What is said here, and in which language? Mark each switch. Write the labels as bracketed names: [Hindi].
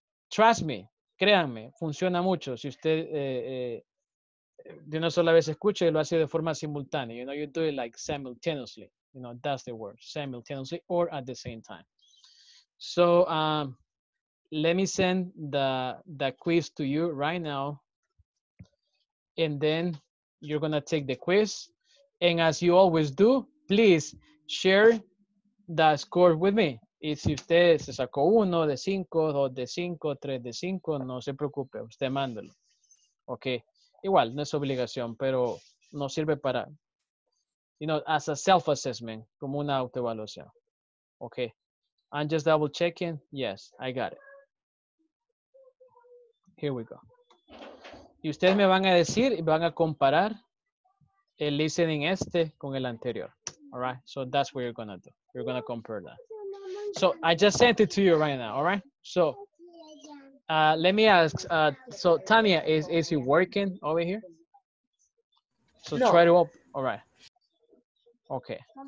[English] Trust me, [Spanish] créanme, funciona mucho. Si usted de una sola vez escucha y lo hace de forma simultánea, [English] you know, you do it like simultaneously, you know, that's the word, simultaneously or at the same time. So let me send the quiz to you right now. And then you're gonna take the quiz. And as you always do, please share the score with me. [Spanish] Y si usted se sacó uno de cinco, dos de cinco, tres de cinco, no se preocupe, usted mándelo. Ok, igual, no es obligación, pero nos sirve para, [English] you know, as a self-assessment, [Spanish] como una autoevaluación. [English] Ok, I'm just double checking. Yes, I got it. Here we go. [Spanish] Y ustedes me van a decir y van a comparar el listening este con el anterior. [English] All right, so that's what you're going to do. You're going to compare that. So I just sent it to you right now, all right? So let me ask, so Tanya, is he working over here? So no. Try to open, all right. Okay.